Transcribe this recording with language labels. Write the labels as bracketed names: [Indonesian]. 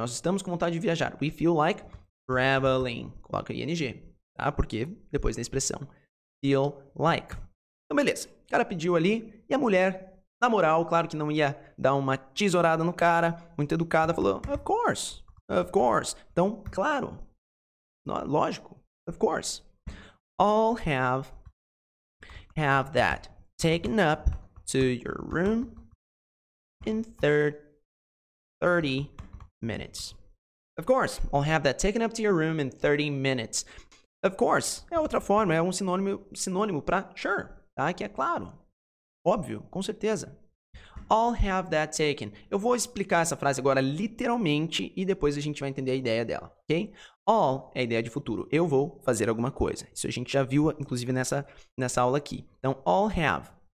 [Portuguese] Nós estamos com vontade de viajar. [English] We feel like traveling. [Portuguese] Coloca ing, tá? Porque depois da expressão feel like. Então, beleza. O cara pediu ali e a mulher, na moral, claro que não ia dar uma tesourada no cara, muito educada, falou, [English] of course, of course. [Portuguese] Então, claro, lógico, [English] of course. I'll have that taken up to your room in 30 minutes. Of course, I'll have that taken up to your room in 30 minutes. Of course, [Portuguese] é outra forma, é um sinônimo para sure, tá? Que é claro. Óbvio, com certeza. [English] I'll have that taken. [Portuguese] Eu vou explicar essa frase agora literalmente e depois a gente vai entender a ideia dela, ok? All é a ideia de futuro. Eu vou fazer alguma coisa. Isso a gente já viu, inclusive, nessa aula aqui. Então, [English] I'll have.